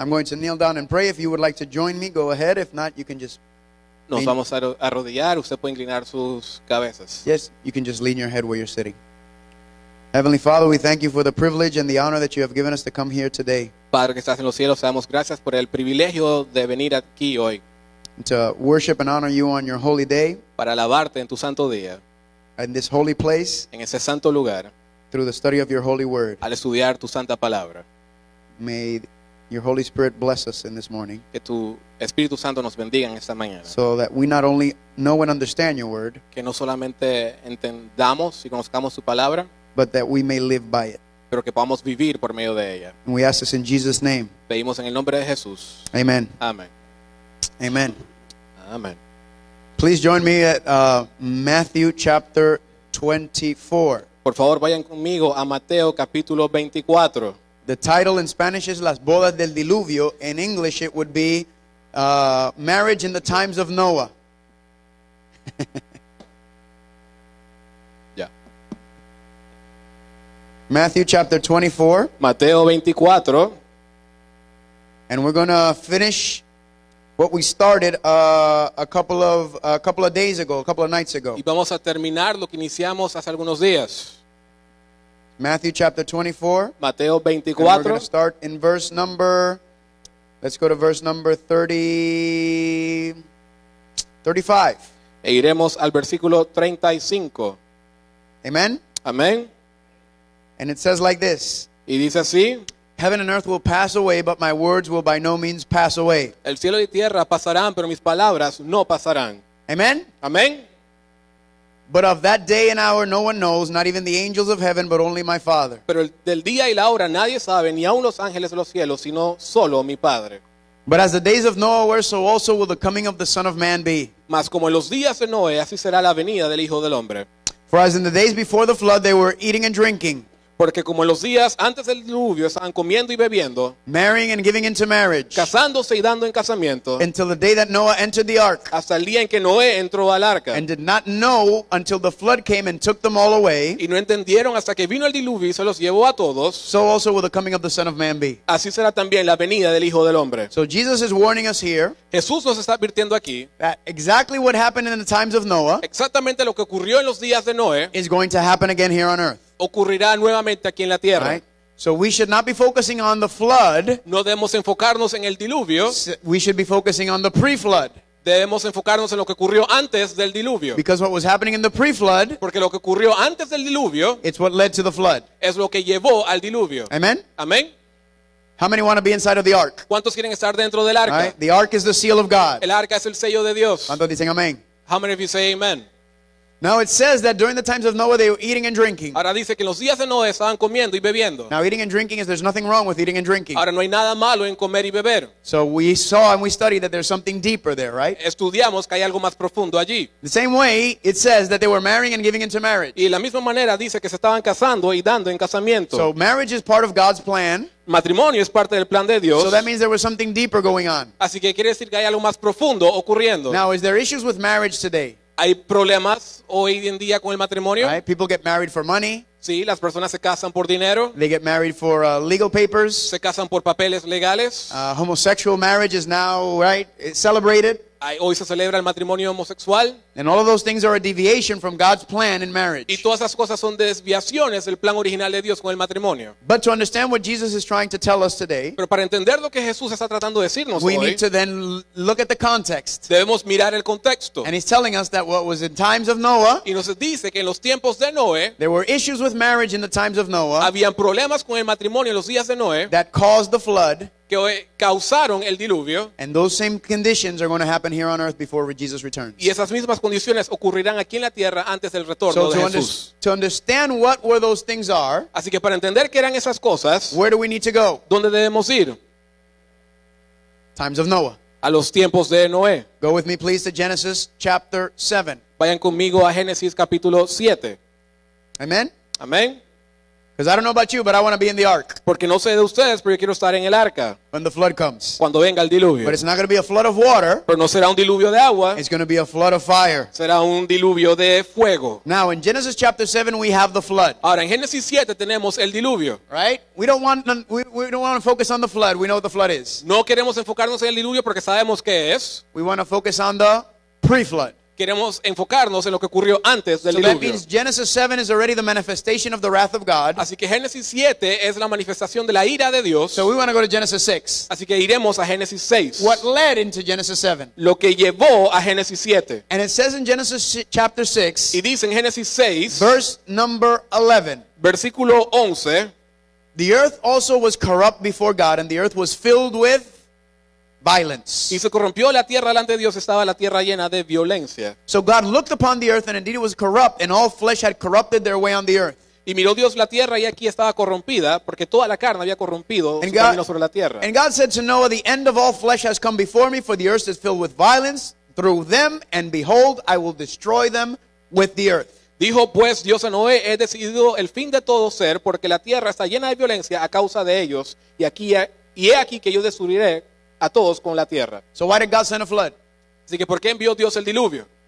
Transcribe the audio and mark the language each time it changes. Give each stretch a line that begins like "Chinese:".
English: I'm going to kneel down and pray. If you would like to join me, go ahead. If not, you can just...
Spanish: Nos vamos a arrodillar. Usted puede inclinar sus cabezas.
English: Yes, you can just lean your head where you're sitting. Heavenly Father, we thank you for the privilege and the honor that you have given us to come here today.
Spanish: Padre que estás en los cielos, damos gracias por el privilegio de venir aquí hoy.
English: To worship and honor you on your holy day.
Spanish: Para alabarte en tu santo día.
English: In this holy place.
Spanish: En ese santo lugar.
English: Through the study of your holy word.
Spanish: Al estudiar tu santa palabra.
English: May your Holy Spirit bless us in this morning.
Spanish: Que tu Espíritu Santo nos bendiga en esta mañana.
English: So that we not only know and understand your word.
Spanish: Que no solamente entendamos y conozcamos tu palabra.
English: But that we may live by it.
Spanish: Pero que podamos vivir por medio de ella.
English: And we ask this in Jesus' name.
Spanish: Pedimos en el nombre de Jesús.
English: Amen. Amen. Amen. Amen. Please join me at Matthew chapter 24.
Spanish: Por favor, vayan conmigo a Mateo capítulo 24.
English: The title in Spanish is
Spanish: Las Bodas del Diluvio.
English: In English, it would be Marriage in the Times of Noah. Matthew chapter 24.
Spanish: Mateo 24.
English: And we're going to finish what we started a couple of nights ago.
Spanish: Y vamos a terminar lo que iniciamos hace algunos días.
English: Matthew chapter 24.
Spanish: Mateo 24.
English: And we're going to start in verse number, let's go to verse number 35.
Spanish: E iremos al versículo 35. Amen. Amen.
English: And it says like this.
Spanish: Y dice así.
English: Heaven and earth will pass away, but my words will by no means pass away.
Spanish: El cielo y tierra pasarán, pero mis palabras no pasarán. Amen. Amen.
English: But of that day and hour no one knows, not even the angels of heaven, but only my Father.
Spanish: Pero del día y la hora nadie sabe, ni aun los ángeles de los cielos, sino solo mi Padre.
English: But as the days of Noah were, so also will the coming of the Son of Man be.
Spanish: Mas como en los días de Noé, así será la venida del Hijo del Hombre.
English: For as in the days before the flood they were eating and drinking.
Spanish: Porque como en los días antes del diluvio estaban comiendo y bebiendo,
English: marrying and giving into marriage,
Spanish: casándose y dando en casamiento,
English: until the day that Noah entered the ark,
Spanish: hasta el día en que Noé entró al arca,
English: and did not know until the flood came and took them all away,
Spanish: y no entendieron hasta que vino el diluvio y se los llevó a todos,
English: so also will the coming of the Son of Man be.
Spanish: Así será también la venida del Hijo del Hombre.
English: So Jesus is warning us here,
Spanish: Jesús nos está advirtiendo aquí,
English: that exactly what happened in the times of Noah,
Spanish: exactamente lo que ocurrió en los días de Noé,
English: is going to happen again here on earth.
Spanish: Ocurrirá nuevamente aquí en la tierra.
English: Right. So we should not be focusing on the flood.
Spanish: No debemos enfocarnos en el diluvio.
English: We should be focusing on the pre-flood.
Spanish: Debemos enfocarnos en lo que ocurrió antes del diluvio.
English: Because what was happening in the pre-flood,
Spanish: porque lo que ocurrió antes del diluvio,
English: it's what led to the flood.
Spanish: Es lo que llevó al diluvio. Amen. Amen.
English: How many want to be inside of the ark?
Spanish: ¿Cuántos quieren estar dentro del arca?
English: Right. The ark is the seal of God.
Spanish: El arca es el sello de Dios. ¿Cuántos dicen amén?
English: How many of you say amen? Now it says that during the times of Noah they were eating and drinking.
Spanish: Ahora dice que en los días de Noé estaban comiendo y bebiendo.
English: Now eating and drinking is there's nothing wrong with eating and drinking.
Spanish: Ahora no hay nada malo en comer y beber.
English: So we saw and we studied that there's something deeper there, right?
Spanish: Estudiamos que hay algo más profundo allí.
English: The same way it says that they were marrying and giving into marriage.
Spanish: Y la misma manera dice que se estaban casando y dando en casamiento.
English: So marriage is part of God's plan.
Spanish: Matrimonio es parte del plan de Dios.
English: So that means there was something deeper going on.
Spanish: Así que quiere decir que hay algo más profundo ocurriendo.
English: Now is there issues with marriage today?
Spanish: ¿Hay problemas hoy en día con el matrimonio?
English: Right. People get married for money.
Spanish: Sí, las personas se casan por dinero.
English: They get married for legal papers.
Spanish: Se casan por papeles legales.
English: Homosexual marriage is now, right, celebrated.
Spanish: Hoy se celebra el matrimonio homosexual.
English: And all of those things are a deviation from God's plan in marriage.
Spanish: Y todas esas cosas son desviaciones del plan original de Dios con el matrimonio.
English: But to understand what Jesus is trying to tell us today,
Spanish: pero para entender lo que Jesús está tratando de decirnos
English: we
Spanish: hoy,
English: need to then look at the context.
Spanish: Debemos mirar el contexto.
English: And he's telling us that what was in times of Noah,
Spanish: y nos dice que en los tiempos de Noé,
English: there were issues with marriage in the times of Noah,
Spanish: habían problemas con el matrimonio en los días de Noé,
English: that caused the flood,
Spanish: que causaron el diluvio.
English: And those same conditions are going to happen here on earth before Jesus returns.
Spanish: Y esas mismas condiciones ocurrirán aquí en la tierra antes del retorno
English: so
Spanish: de Jesús.
English: To understand what were those things are,
Spanish: así que para entender qué eran esas cosas,
English: where do we need to go?
Spanish: ¿Dónde debemos ir?
English: Times of Noah.
Spanish: A los tiempos de Noé.
English: Go with me please to Genesis chapter 7.
Spanish: Vayan conmigo a Génesis capítulo 7. Amen. Amen.
English: Because I don't know about you, but I want to be in the ark.
Spanish: Porque no sé de ustedes, pero yo quiero estar en el arca.
English: When the flood comes.
Spanish: Cuando venga el diluvio.
English: But it's not going to be a flood of water.
Spanish: Pero no será un diluvio de agua.
English: It's going to be a flood of fire.
Spanish: Será un diluvio de fuego.
English: Now in Genesis chapter 7 we have the flood.
Spanish: Ahora en Génesis 7 tenemos el diluvio.
English: Right? We don't want to focus on the flood. We know what the flood is.
Spanish: No queremos enfocarnos en el diluvio porque sabemos qué es.
English: We want to focus on the pre-flood.
Spanish: Queremos enfocarnos en lo que ocurrió antes del
English: diluvio. So that means Genesis 7 is already the manifestation of the wrath of God.
Spanish: Así que Génesis 7 es la manifestación de la ira de Dios.
English: So we want to go to Genesis 6.
Spanish: Así que iremos a Génesis 6.
English: What led into Genesis 7?
Spanish: Lo que llevó a Génesis 7.
English: And it says in Genesis chapter 6.
Spanish: Y dice en Génesis 6.
English: Verse number 11.
Spanish: Versículo 11.
English: The earth also was corrupt before God, and the earth was filled with violence.
Spanish: Y se corrompió la tierra delante de Dios, estaba la tierra llena de violencia.
English: So God looked upon the earth and indeed it was corrupt and all flesh had corrupted their way on the earth.
Spanish: Y miró Dios la tierra y aquí estaba corrompida porque toda la carne había corrompido su camino sobre la tierra.
English: And God said to Noah, the end of all flesh has come before me, for the earth is filled with violence through them, and behold, I will destroy them with the earth.
Spanish: Dijo pues Dios a Noé, he decidido el fin de todo ser porque la tierra está llena de violencia a causa de ellos, y aquí y he aquí que yo destruiré a todos con la tierra.
English: So why did God send a flood?
Spanish: Así que ¿por qué envió Dios el diluvio?